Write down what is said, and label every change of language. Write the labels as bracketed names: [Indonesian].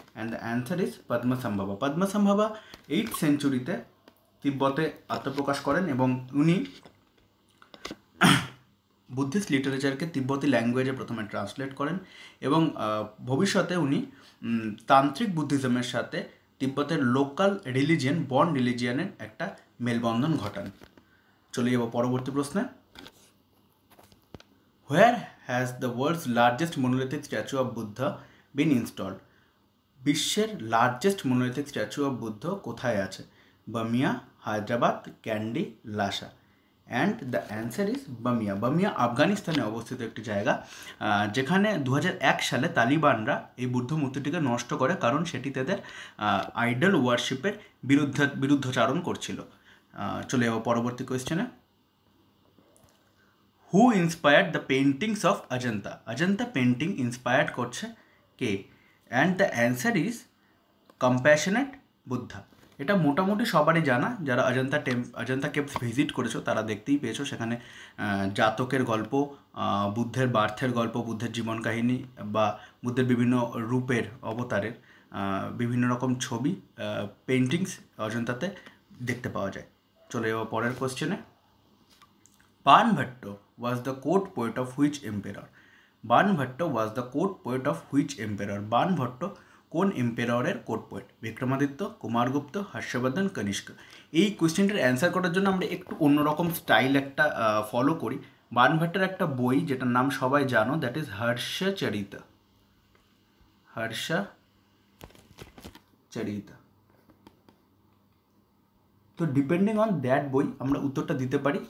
[English] And the answer is Padmasambhava. [Bangla] পদ্মসম্ভবা 8th century তিব্বতে আত্মপ্রকাশ করেন এবং উনি বুদ্ধিস্ট লিটারেচারকে তিব্বতি ল্যাঙ্গুয়েজে প্রথমে ট্রান্সলেট করেন এবং ভবিষ্যতে উনি তান্ত্রিক বুদ্ধিজমের সাথে তিব্বতের লোকাল রিলিজিয়ন বন রিলিজিয়নের একটা মেলবন্ধন ঘটান। চলে যাব পরবর্তী প্রশ্নে। [English] Where has the world's largest monolithic statue of Buddha been installed? [Bangla] বিশ্বের largest monolithic statue of Buddha কোথায় আছে? Bamia, Hyderabad, candy, Lhasa. [English] And the answer is Bamiya. [Bangla] Bamiya আফগানিস্তানে অবস্থিত একটি জায়গা, যেখানে 2001 তালিবানরা এই বুদ্ধ মূর্তিটিকে নষ্ট করে, কারণ সেটি তাদের আইডল ওয়ার্শিপের বিরুদ্ধাচারণ করছিল। চলে যাব পরবর্তী কোয়েশ্চেনে। [English] Who inspired the paintings of Ajanta? [Bangla] Ajanta painting inspired করছে কে? [English] And the answer is compassionate Buddha. [Bangla] এটা মোটামুটি সবারই জানা, যারা অজন্তা কেভস ভিজিট করেছো তারা দেখতেই পেয়েছো, সেখানে জাতকের গল্প, বুদ্ধের বার্থের গল্প, বুদ্ধের জীবন কাহিনী বা বুদ্ধের বিভিন্ন রূপের অবতারের বিভিন্ন রকম ছবি, পেন্টিংস অজন্তাতে দেখতে পাওয়া যায়। চলে যাব পরের কোশ্চেনে। [English] Banbhatto was the court poet of which emperor? Banbhatto was the court poet of which emperor? [Bangla] Banbhatto কোন emperor court point? Vikramaditya, Kumaragupta, Harshvardhan, Kanishka. এই কোয়েশ্চেনটার অ্যান্সার করার জন্য আমরা একটু অন্যরকম স্টাইল একটা ফলো করি। বানভট্টের একটা বই যেটার নাম সবাই জানো, দ্যাট ইজ হর্ষচরিত। হর্ষচরিত, তো ডিপেন্ডিং অন দ্যাট বই আমরা উত্তরটা দিতে পারি।